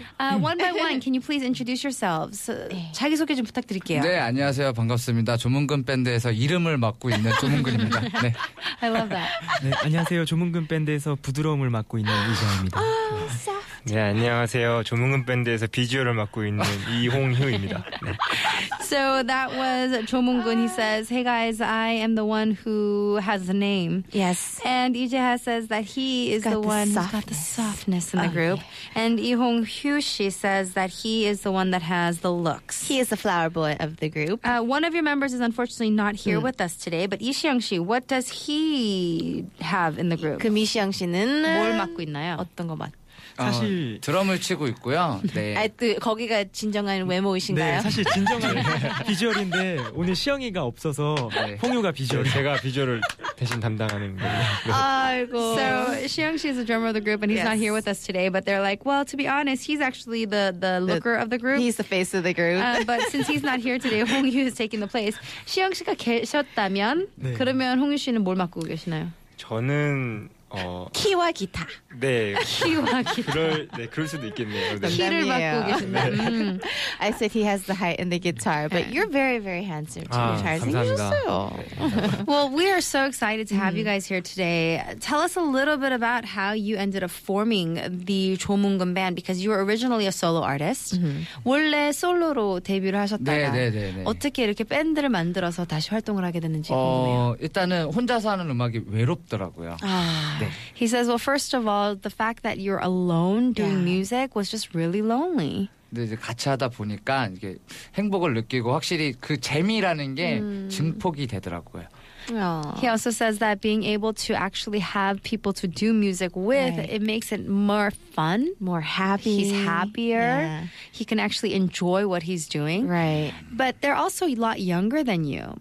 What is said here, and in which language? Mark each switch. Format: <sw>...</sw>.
<en>One by one, can you please introduce yourselves?</en> <ko>자기소개 좀 부탁드릴게요. 네, 안녕하세요. 반갑습니다. 조문근 밴드에서 이름을 맡고 있는 조문근입니다. 네.</ko> <en>I love that.</en> <ko>네, 안녕하세요. 조문근 밴드에서 부드러움을 맡고 있는 이정입니다. 네, 안녕하세요. 조문근 밴드에서 비주얼을 맡고 있는 이홍효입니다. 네.</ko> <en>So that was 조문근. He says, hey guys, I am the one who has the name. Yes. And 이재하 says that he is got the one softness. Who's got the softness in the group. Yeah. And 이홍효, she says that he is the one that has the looks. He is the flower boy of the group. One of your members is unfortunately not here with us today, but 이시영씨, what does he have in the group?</en> <ko>그 이시영씨는 뭘 맡고 있나요? 어떤 거 맡고? 사실 드럼을 치고 있고요. 네. 아, 또 거기가 진정한 외모이신가요? 네, 사실 진정한 비주얼인데 오늘 시영이가 없어서 홍유가 비주얼. 제가 비주얼을 대신 담당하는 거예요. 아이고.</ko> <en>So, Xiang Xi is the drummer of the group and he's not here with us today, but they're like, well, to be honest, he's actually the looker of the group. He's the face of the group. But since he's not here today, Hongyu is taking the place.</en> <ko>Xiang Xi가 계셨다면 네. 그러면 홍유 씨는 뭘 맡고 계시나요? 저는 키와 기타. 네. 키와 기타. 그럴 수도 있겠네요. 키를 맡고 계신다. 네.</ko> <en>I said he has the height and the guitar, but you're very, very handsome to be charging yourself. Well, we are so excited to have you guys here today. Tell us a little bit about how you ended up forming the 조문근 band, because you were originally a solo artist.</en> <ko>원래 솔로로 데뷔를 하셨다가 어떻게 이렇게 밴드를 만들어서 다시 활동을 하게 됐는지 궁금해요. 일단은 혼자서 하는 음악이 외롭더라고요. 네.</ko> <en>He says, well, first of all, the fact that you're alone doing music was just really lonely.</en> <ko>근데 이제 같이 하다 보니까 이게 행복을 느끼고 확실히 그 재미라는 게 증폭이 되더라고요.</ko> <en>He also says that being able to actually have people to do music with, it makes it more fun. More happy. He's happier. Yeah. He can actually enjoy what he's doing. Right. But they're also a lot younger than you.</en>